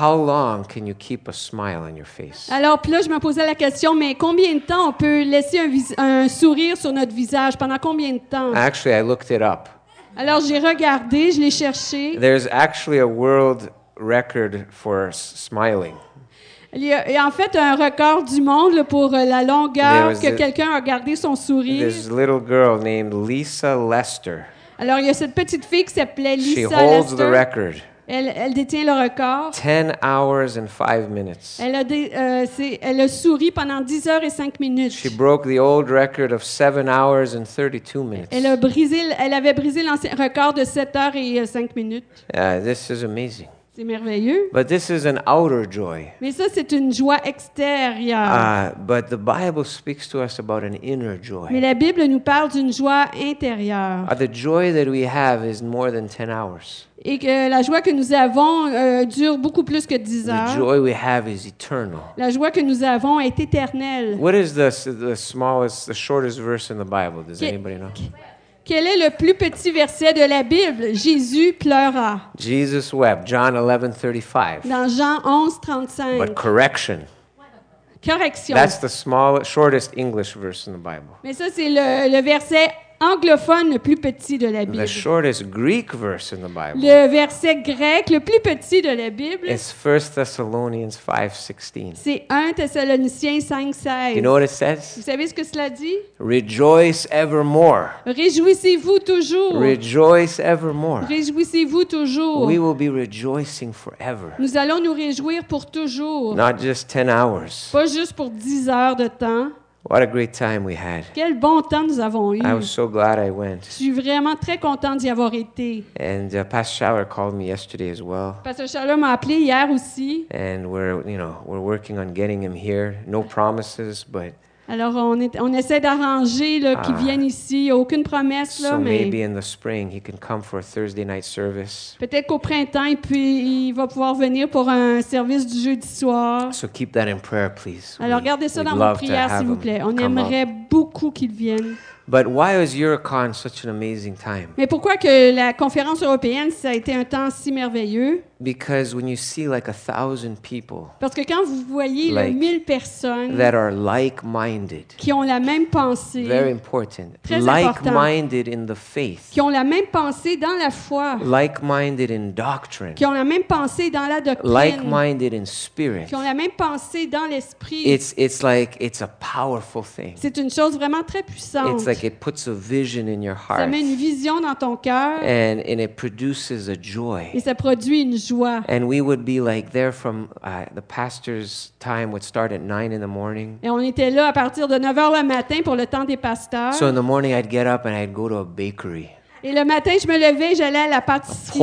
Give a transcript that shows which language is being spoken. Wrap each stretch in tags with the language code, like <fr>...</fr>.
<en>How long can you keep a smile on your face?</en> <fr>Alors, puis là, je me posais la question, mais combien de temps on peut laisser un sourire sur notre visage? Pendant combien de temps?</fr> <en>Actually, I looked it up.</en> <fr>Alors, j'ai regardé, je l'ai cherché.</fr> <en>There's actually a world record for smiling.</en> <fr>Il y a en fait un record du monde pour la longueur que quelqu'un a gardé son sourire.</fr> <en>There's a little girl named Lisa Lester.</en> <fr>Alors, il y a cette petite fille qui s'appelait Lisa Lester.</fr> <en>She holds the record.</en> <fr>Elle détient le record.</fr> <en>10 hours and 5 minutes.</en> <fr>Elle a souri pendant 10 heures et 5 minutes.</fr> <en>She broke the old record of 7 hours and 32 minutes.</en> <fr>Elle avait brisé l'ancien record de 7 heures et 5 minutes.</fr> <en>This is amazing.</en> <fr>C'est merveilleux.</fr> <en>But this is an outer joy.</en> <fr>Mais ça, c'est une joie extérieure.</fr> <en>But the Bible speaks to us about an inner joy.</en> <fr>Mais la Bible nous parle d'une joie intérieure.</fr> <en>The joy that we have is more than 10 hours.</en> <fr>Et que la joie que nous avons dure beaucoup plus que 10 heures.</fr> <en>The joy we have is eternal.</en> <fr>La joie que nous avons est éternelle.</fr> <en>What is the smallest, the shortest verse in the Bible? Does anybody know?</en> <fr>Quel est le plus petit verset de la Bible? Jésus pleura.</fr> <en>Jesus wept, John 11, 35.</en> <fr>Dans Jean 11, 35.</fr> <en>But correction.</en> <fr>Correction.</fr> <en>That's the smallest, shortest English verse in the Bible.</en> <fr>Mais ça, c'est le verset anglophone le plus petit de la Bible.</fr> <en>The shortest Greek verse in the Bible.</en> <fr>Le verset grec le plus petit de la Bible.</fr> <en>It's 1 Thessalonians 5, 16.</en> <fr>C'est 1 Thessaloniciens 5, 16.</fr> <en>You know what it says?</en> <fr>Vous savez ce que cela dit?</fr> <en>Rejoice evermore.</en> <fr>Réjouissez-vous toujours.</fr> <en>Rejoice evermore.</en> <fr>Réjouissez-vous toujours.</fr> <en>We will be rejoicing forever.</en> <fr>Nous allons nous réjouir pour toujours.</fr> <en>Not just 10 hours.</en> <fr>Pas juste pour 10 heures de temps.</fr> <en>What a great time we had.</en> <fr>Quel bon temps nous avons eu.</fr> <en>I was so glad I went.</en> <fr>Je suis vraiment très contente d'y avoir été.</fr> <en>And Pastor Schaller called me yesterday as well.</en> <fr>Pastor Schaller m'a appelé hier aussi.</fr> <en>And we're working on getting him here. No promises, but</en> <fr>alors on essaie d'arranger là qu'il vienne ici, aucune promesse là,</fr> <en>so</en> <fr>mais</fr> <en>maybe in the spring he can come for a Thursday night service.</en> <fr>Peut-être qu'au printemps et puis il va pouvoir venir pour un service du jeudi soir.</fr> <en>So keep that in prayer, please.</en> <fr>Alors gardez ça dans vos prières s'il vous plaît. On aimerait beaucoup qu'il vienne.</fr> <en>But why was Eurocon such an amazing time?</en> <fr>Mais pourquoi que la conférence européenne ça a été un temps si merveilleux?</fr> <en>Because when you see like 1,000 people,</en> <fr>parce que quand vous voyez like 1,000 personnes</fr> <en>that are like-minded,</en> <fr>qui ont la même pensée,</fr> <en>very important,</en> <fr>très</fr> <en>like-minded</en> <fr>important,</fr> <en>in the faith,</en> <fr>qui ont la même pensée dans la foi,</fr> <en>like-minded in doctrine,</en> <fr>qui ont la même pensée dans la doctrine,</fr> <en>like-minded in spirit,</en> <fr>qui ont la même pensée dans l'esprit,</fr> <en>it's like it's a powerful thing.</en> <fr>C'est une chose vraiment très puissante.</fr> <en>It's like it puts a vision in your heart.</en> <fr>Ça met une vision dans ton cœur.</fr> <en>And it produces a joy.</en> <fr>Et ça produit une joie.</fr> <en>And we would be like there from the pastor's time would start at 9 in the morning.</en> <fr>Et on était là à partir de 9 heures le matin pour le temps des pasteurs.</fr> <en>So in the morning I'd get up and I'd go to a bakery.</en> <fr>Et le matin, je me levais, j'allais à la pâtisserie.</fr>